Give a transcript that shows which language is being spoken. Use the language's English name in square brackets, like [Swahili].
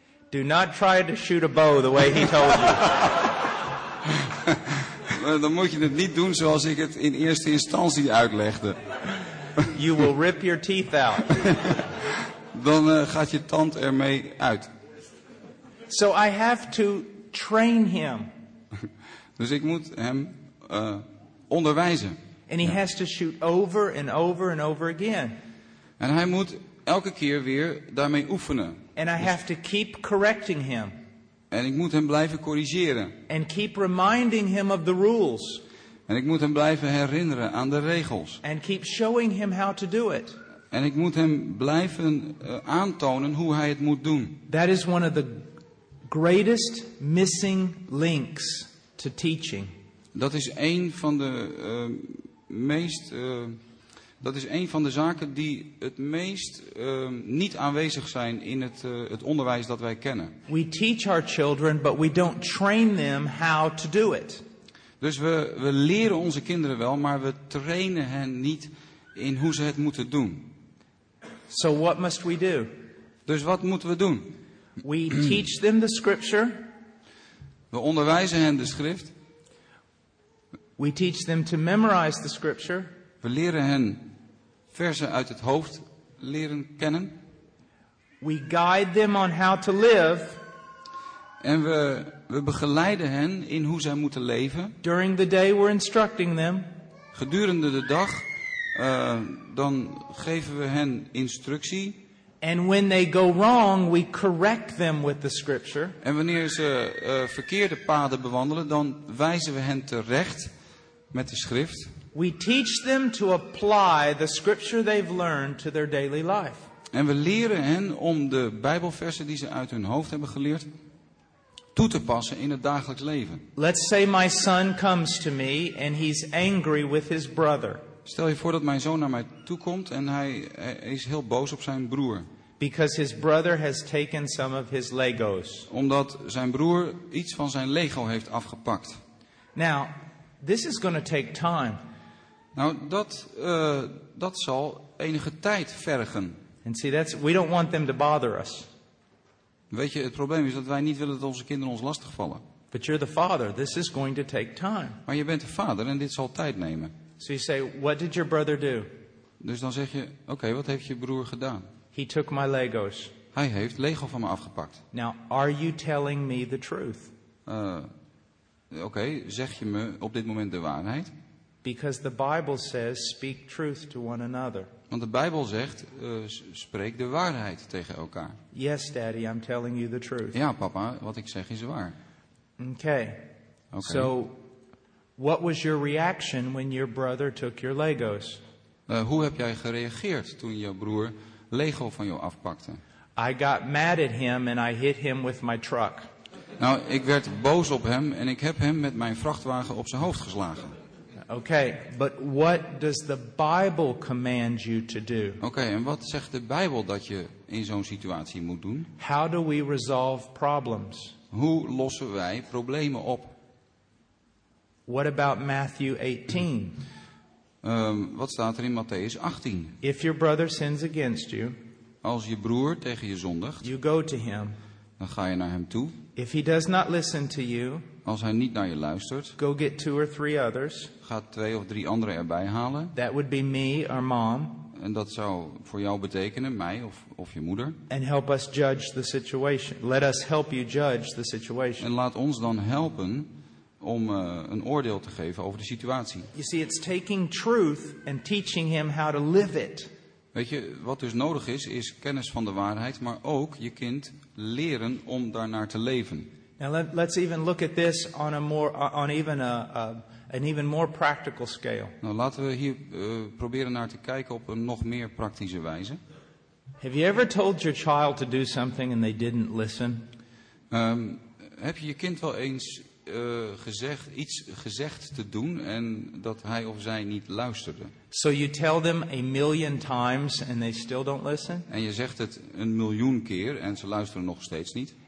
[English] Do not try to shoot a bow the way he told you. [Dutch] Dan moet je het niet doen zoals ik het in eerste instantie uitlegde. [English] You will rip your teeth out. [Dutch] Dan gaat je tand ermee uit. [English] So I have to train him. [Dutch] Dus ik moet hem onderwijzen. [English] And he has to shoot over and over and over again. [Dutch] En hij moet elke keer weer daarmee oefenen. [English] And I have to keep correcting him. [Dutch] En ik moet hem blijven corrigeren. [English] And keep reminding him of the rules. [Dutch] En ik moet hem blijven herinneren aan de regels. [English] And keep showing him how to do it. [Dutch] En ik moet hem blijven aantonen hoe hij het moet doen. [English] That is one of the greatest missing links to teaching. [Dutch] Dat is een van de meest dat is een van de zaken die het meest niet aanwezig zijn in het onderwijs dat wij kennen. [English] We teach our children, but we don't train them how to do it. [Dutch] Dus we leren onze kinderen wel, maar we trainen hen niet in hoe ze het moeten doen. [English] So what must we do? [Dutch] Dus wat moeten we doen? [English] We teach them the scripture. [Dutch] We onderwijzen hen de schrift. [English] We teach them to memorize the scripture. [Dutch] We leren hen versen uit het hoofd leren kennen. [English] We guide them on how to live. [Dutch] En we begeleiden hen in hoe zij moeten leven. [English] During the day we're instructing them. [Dutch] Gedurende de dag dan geven we hen instructie. [English] And when they go wrong, we correct them with the scripture. [Dutch] En wanneer ze verkeerde paden bewandelen, dan wijzen we hen terecht met de schrift. [English] We teach them to apply the scripture they've learned to their daily life. [Dutch] En we leren hen om de Bijbelversen die ze uit hun hoofd hebben geleerd toe te passen in het dagelijks leven. [English] Let's say my son comes to me and he's angry with his brother. [Dutch] Stel je voor dat mijn zoon naar mij toe komt en hij is heel boos op zijn broer. [English] Because his brother has taken some of his Legos. [Dutch] Omdat zijn broer iets van zijn Lego heeft afgepakt. [English] Now, this is going to take time. [Dutch] Nou, dat zal enige tijd vergen. [English] And see, that's we don't want them to bother us. [Dutch] Weet je, het probleem is dat wij niet willen dat onze kinderen ons lastigvallen. [English] But you're the father. This is going to take time. [Dutch] Maar je bent de vader en dit zal tijd nemen. [English] So you say, what did your brother do? [Dutch] Dus dan zeg je, oké, wat heeft je broer gedaan? [English] He took my Legos. [Dutch] Hij heeft Lego van me afgepakt. [English] Now, are you telling me the truth? [Dutch] Oké, zeg je me op dit moment de waarheid? [English] Because the Bible says, speak truth to one another. [Dutch] Want de Bijbel zegt, spreek de waarheid tegen elkaar. [English] Yes, Daddy, I'm telling you the truth. [Dutch] Ja, papa, wat ik zeg is waar. [English] Okay. [Dutch] Okay. [English] So, what was your reaction when your brother took your Legos? [Dutch] Hoe heb jij gereageerd toen je broer Lego van jou afpakte? [English] I got mad at him and I hit him with my truck. [Dutch] Nou, ik werd boos op hem en ik heb hem met mijn vrachtwagen op zijn hoofd geslagen. [English] Okay, but what does the Bible command you to do? [Dutch] Okay, en wat zegt de Bijbel dat je in zo'n situatie moet doen? [English] How do we resolve problems? [Dutch] Hoe lossen wij problemen op? [English] What about Matthew 18? [Dutch] Wat staat er in Matthäus 18? [English] If your brother sins against you, [Dutch] als je broer tegen je zondigt, [English] you go to him. [Dutch] Dan ga je naar hem toe. [English] If he does not listen to you, [Dutch] als hij niet naar je luistert, [English] go get two or three others. [Dutch] Ga twee of drie anderen erbij halen. [English] That would be me or mom. [Dutch] En dat zou voor jou betekenen, mij of je moeder. [English] And help us judge the situation. Let us help you judge the situation. [Dutch] En laat ons dan helpen om een oordeel te geven over de situatie. [English] You see, it's taking truth and teaching him how to live it. [Dutch] Weet je, wat dus nodig is, is kennis van de waarheid, maar ook je kind leren om daarnaar te leven. [English] Now let's even look at this on a more on even a, a an even more practical scale. [Dutch] Nou, laten we hier proberen naar te kijken op een nog meer praktische wijze. [English] Have you ever told your child to do something and they didn't listen? [Dutch] Heb je je kind wel eens iets gezegd te doen en dat hij of zij niet luisterde? [English] So you tell them a million times and they still don't listen? [Dutch] En je zegt het een miljoen keer en ze luisteren nog steeds niet.